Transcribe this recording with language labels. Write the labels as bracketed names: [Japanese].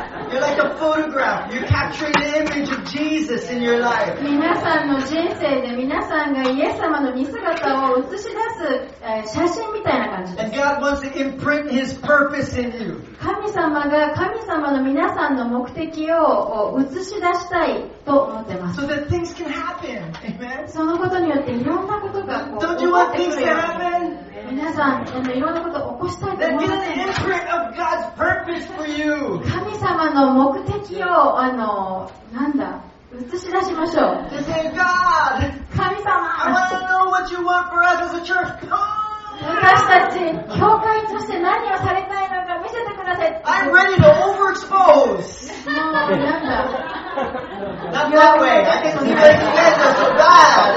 [English] You're like a photograph. You're capturing the image of Jesus in your life. [Japanese] 皆さんの人生で皆さんがイエス様の見姿を映し出す写真みたいな感じです。 [English] And God wants to imprint His purpose in you. [Japanese] 神様が神様の皆さんの目的を映し出したいと思ってます。 [English] So that things can happen. Amen. [Japanese] そのことによっていろんなことが [English] Don't you want things to happen? [Japanese] 皆さん、いろんなことを起こしたいと思います。 [English] Then get an imprint of God's purpose for you. [Japanese] 神様の目的を、なんだ、映し出しましょう。 [English] To say, God, [Japanese] 神様、 [English] I want to know what you want for us as a church. Come! [Japanese] 私たち、教会として何をされたいのか見せてください。 [English] I'm ready to overexpose! [Japanese] もうなんだ。 [English] Not that way. I think we're ready to get so bad.